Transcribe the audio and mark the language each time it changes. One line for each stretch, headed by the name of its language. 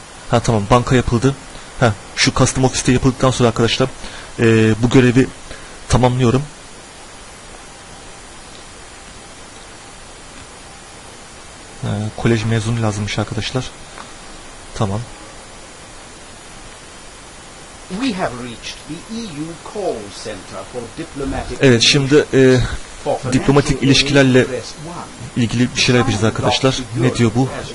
Turkish: Ha tamam banka yapıldı. Ha şu custom office'te yapıldıktan sonra arkadaşlar bu görevi tamamlıyorum. Kolej mezunu lazımmış arkadaşlar. Tamam.
English: We have reached the EU call center for diplomatic.
Turkish: Evet şimdi diplomatik ilişkilerle ilgili bir şeyler yapacağız arkadaşlar. Ne diyor bu?